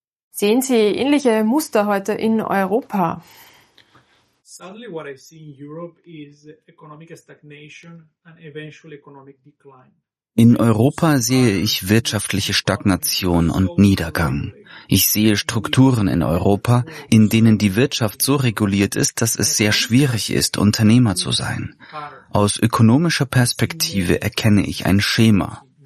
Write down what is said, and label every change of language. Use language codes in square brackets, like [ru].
[de] Sehen Sie ähnliche Muster heute in Europa? [en] Sadly, what I see in Europe is economic stagnation and eventual economic decline. [de] In Europa sehe ich wirtschaftliche Stagnation und Niedergang. Ich sehe Strukturen in Europa, in denen die Wirtschaft so reguliert ist, dass es sehr schwierig ist, Unternehmer zu sein. Aus ökonomischer Perspektive erkenne ich ein Schema.